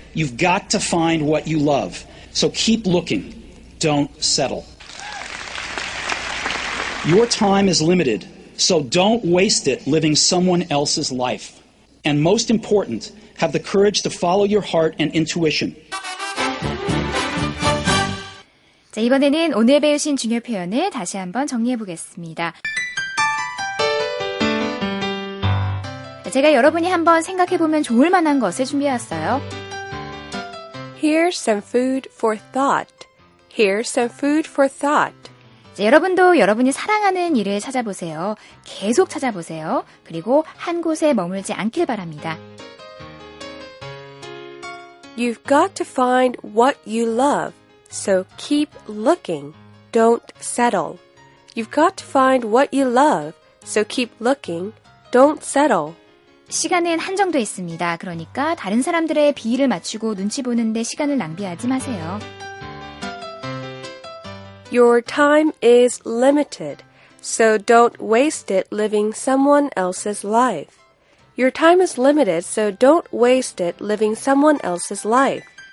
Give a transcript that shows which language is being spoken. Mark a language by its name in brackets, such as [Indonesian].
[English] You've got to find what you love. So keep looking. Don't settle. Your time is limited, so don't waste it living someone else's life. And most important, have the courage to follow your heart and intuition. [Korean] 자, 이번에는 오늘 배우신 중요 표현을 다시 한번 정리해 보겠습니다. 자, 제가 여러분이 한번 생각해 보면 좋을 만한 것을 준비해왔어요. [English] Here's some food for thought. Here's some food for thought. [Korean] 자, 여러분도 여러분이 사랑하는 일을 찾아보세요. 계속 찾아보세요. 그리고 한 곳에 머물지 않길 바랍니다. [English] You've got to find what you love, so keep looking. Don't settle. You've got to find what you love, so keep looking. Don't settle. [Korean] 시간은 한정돼 있습니다. 그러니까 다른 사람들의 비위를 맞추고 눈치 보는데 시간을 낭비하지 마세요. [English] Your time is limited, so don't waste it living someone else's life. Your time is limited, so don't waste it living someone else's life.